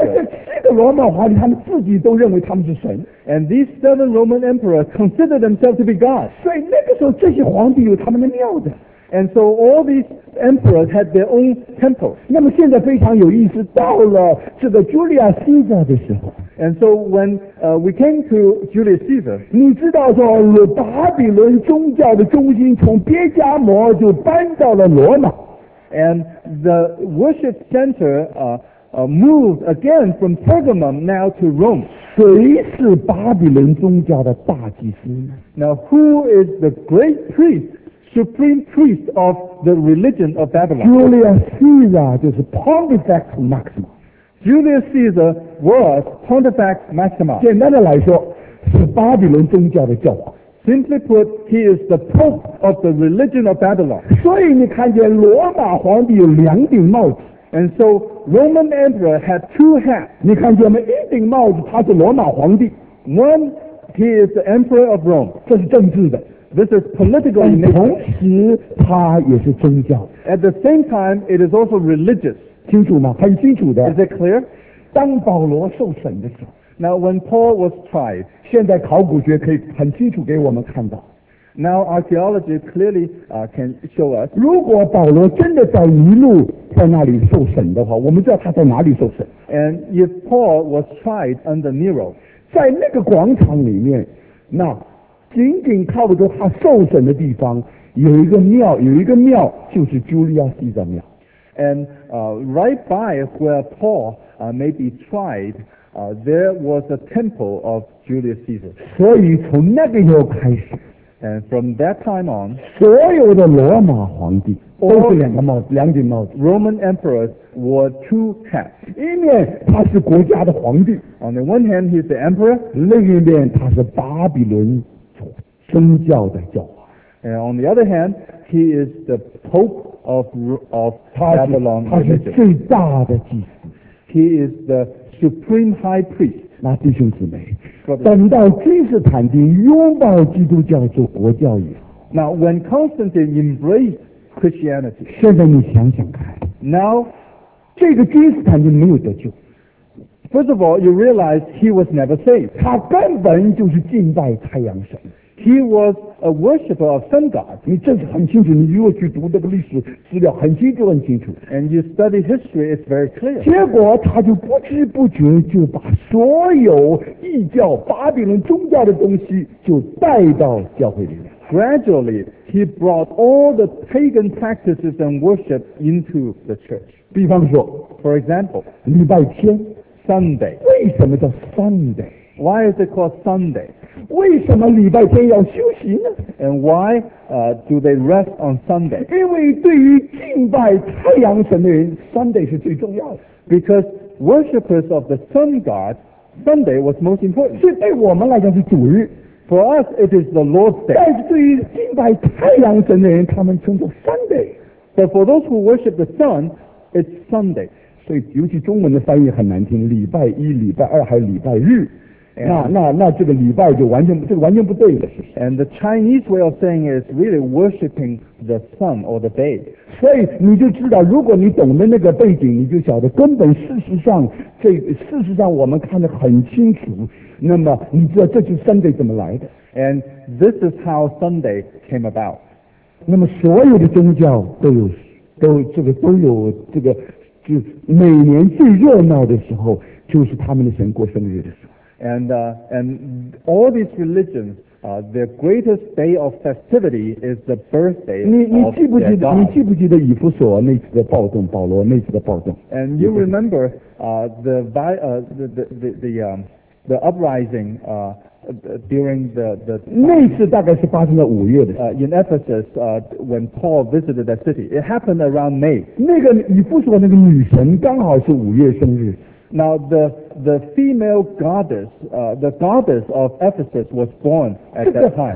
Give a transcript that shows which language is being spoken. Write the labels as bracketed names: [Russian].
[Chinese] 而且七个罗马皇帝他们自己都认为他们是神。 [English] And these seven Roman emperors consider themselves to be gods. [Chinese] 所以那个时候这些皇帝有他们的庙的。 [English] And so all these emperors had their own temple. [Chinese] 那么现在非常有意思，到了这个 Julius Caesar 的时候。 [English] And so when we came to Julius Caesar, [Chinese] 你知道说巴比伦宗教的中心从别加摩就搬到了罗马。 [English] And the worship center moved again from Pergamum now to Rome. [Chinese] 谁是巴比伦宗教的大祭司？ [English] Now who is the great priest, supreme priest of the religion of Babylon? [Chinese] Julius Caesar 就是 Pontifex Maximus. [English] Julius Caesar was Pontifex Maximus. [Chinese] 简单的来说，是巴比伦宗教的教皇。 [English] Simply put, he is the pope of the religion of Babylon. [Chinese] 所以你看见罗马皇帝有两顶帽子。 [English] And so, Roman emperor had two hats. [Chinese] 你看见没？一顶帽子他是罗马皇帝。 [English] One, he is the emperor of Rome. [Chinese] 这是政治的。 [English] This is political in nature. [Chinese] 同时他也是宗教。 [English] At the same time, it is also religious. [Chinese] 清楚吗？很清楚的。 [English] Is it clear? [Chinese] 当保罗受审的时候， [English] Now when Paul was tried, [Chinese] 现在考古学可以很清楚给我们看到。 [English] Now archaeology clearly can show us. [Chinese] 如果保罗真的在尼禄在那里受审的话，我们知道他在哪里受审。 [English] And if Paul was tried under Nero, [Chinese] 在那个广场里面，那仅仅靠着他受审的地方有一个庙，有一个庙就是朱利亚西的庙。 [English] And right by where Paul may be tried. There was a temple of Julius Caesar. [Chinese] 所以从那个时候开始 [English] ，and from that time on, [Chinese] 所有的罗马皇帝都是两个帽子，两顶帽子。 [English] Roman emperors wore two hats. [Chinese] 一面他是国家的皇帝 [English] ，on the one hand he's the emperor. [Chinese] 另一面他是巴比伦宗教的教皇 [English] ，and on the other hand he is the pope of Babylon. [Chinese] 他是最大的祭司。 [English] He is the Supreme High Priest. [Chinese] 那弟兄姊妹，等到君士坦丁拥抱基督教做国教以后 [English] ，Now when Constantine embraced Christianity， [Chinese] 现在你想想看 [English] ，Now [Chinese] 这个君士坦丁没有得救。 [English] First of all, you realize he was never saved. [Chinese] 他根本就是敬拜太阳神。 [English] He was a worshipper of sun god. [Chinese] 你这是很清楚，你如果去读这个历史资料，很清楚，很清楚。 [English] And you study history, it's very clear. [Chinese] 结果他就不知不觉就把所有异教、巴比伦宗教的东西就带到教会里面。 [English] Gradually, he brought all the pagan practices and worship into the church. [Chinese] 比方说 [English] ，For example, [Chinese] 礼拜天 [English] ，Sunday. [Chinese] 为什么叫 Sunday？ [English] Why is it called Sunday? [Chinese] 为什么礼拜天要休息呢 [English] ？And why do they rest on Sunday？ [Chinese] 因为对于敬拜太阳神的人 ，Sunday 是最重要的。 [English] Because worshippers of the sun god, Sunday was most important. [Chinese] 是对我们来讲是主日。 [English] For us, it is the Lord's day. [Chinese] 但是对于敬拜太阳神的人，他们称作 Sunday。 [English] But for those who worship the sun, it's Sunday. [Chinese] 所以尤其中文的翻译很难听，礼拜一、礼拜二还有礼拜日。那这个礼拜就完全这个完全不对的。 [English] And the Chinese way of saying it is really worshipping the sun or the day. [Chinese] 所以你就知道，如果你懂得那个背景，你就晓得根本事实上，这事实上我们看得很清楚。那么你知道这就是 Sunday 怎么来的 [English] ？And this is how Sunday came about. [Chinese] 那么所有的宗教都有这个，就每年最热闹的时候，就是他们的神过生日的时候。 [English] And all these religions, their greatest day of festivity is the birthday of their God. [Chinese] 你记不记得以弗所那次的暴动，保罗那次的暴动 [English] ？And you remember the uprising during the [Chinese] 那次大概是发生在五月的。 [English] In Ephesus, when Paul visited that city, it happened around May. [Chinese] 那个以弗所那个女神刚好是五月生日。 [English] Now the female goddess, the goddess of Ephesus was born at that time.